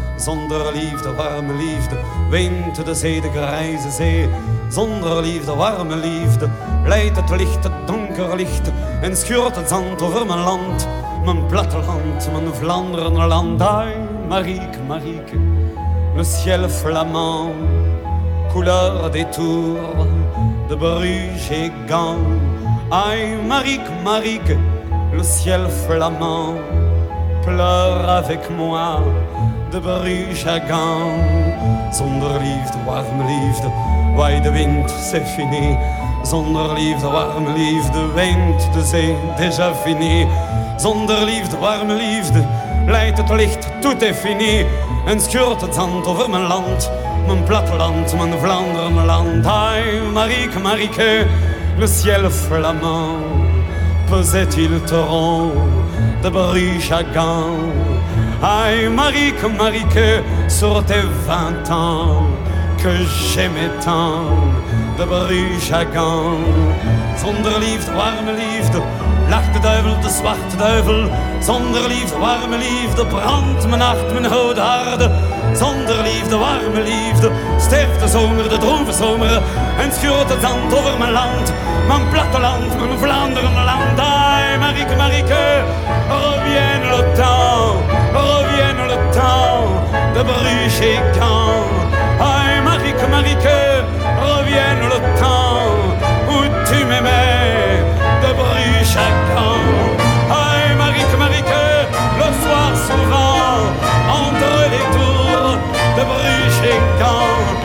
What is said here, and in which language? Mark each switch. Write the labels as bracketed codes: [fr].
[nl] Zonder liefde, warme liefde, wind de zee, de grijze zee. Zonder liefde, warme liefde, leidt het licht, het donker licht en schuurt het zand over mijn land, mijn platteland, mijn Vlaanderen land. [fr] Ai, Marieke, Marieke, le ciel flamand, couleur des tours de Bruges et Gand. Ai, Marieke, Marieke, le ciel flamand, pleure avec moi de Bruges à Gand. [nl] Zonder liefde, warme liefde, waai de wind, [fr] c'est fini. [nl] Zonder liefde, warme liefde, wind de zee, [fr] déjà fini. [nl] Zonder liefde, warme liefde, leidt het licht, [fr] tout est fini. [nl] En schuurt het zand over mijn land, mijn platteland, mijn Vlaanderen land. [fr] Ai, Marieke, Marieke, le ciel flamand, pesait-il te rond de Bruges à Gand. Ai, Marieke, Marieke, sur tes vingt ans que j'aimais tant de Bruges à Gand. [nl] Zonder liefde, warme liefde, lacht de duivel, de zwarte duivel. Zonder liefde, warme liefde, brandt mijn hart, mijn houde harde. Zonder liefde, warme liefde, sterft de zomer, de droom verzomeren. En schuurt het zand over mijn land, mijn platteland, mijn Vlaanderen land. [fr] Ai, Marieke, Marieke, revient le temps. Revient le temps de Bruges et Gand. Ai, Marieke, Marieke, revient le temps où tu m'aimais de Bruges et Gand. Ai, Marieke, Marieke, le soir souvent entre les tours de Bruges et Gand.